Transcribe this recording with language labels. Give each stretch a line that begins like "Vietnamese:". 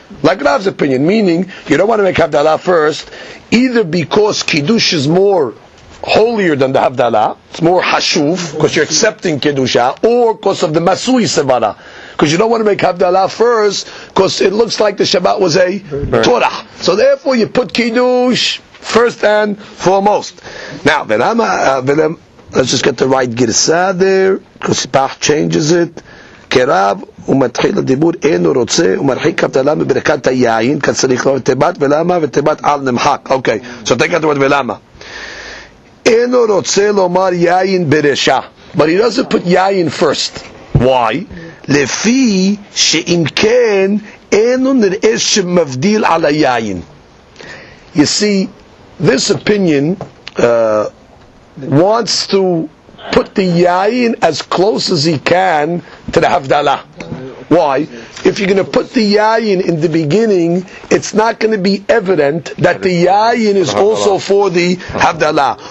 English: Like Rav's opinion, meaning you don't want to make Havdalah first, either because Kiddush is more holier than the Havdalah, it's more Hashuv, because you're accepting Kiddushah, or because of the Masui Sevara. Because you don't want to make Havdalah first, because it looks like the Shabbat was a Torah. So therefore you put Kiddush first and foremost. Now, let's just get the right Girsa there, because Bach changes it.
Hebrew: Kerav ומתחיל לדיבור אינו רוצה ומרחיק הבדלה מברכת היין כאן צריך לראות תיבת ולמה ותיבת על נמחק.
English: Okay, so take it
Hebrew: ולמה. אינו רוצה לומר יין ברשא.
English: But he doesn't put יין first. Why?
Hebrew: לפי שאם כן אינו נראה שמבדיל על היין.
English: You see, this opinion wants to put the yayin as close as he can to the Havdalah. Why? If you're going to put the yayin in the beginning, it's not going to be evident that the yayin is also for the havdalah.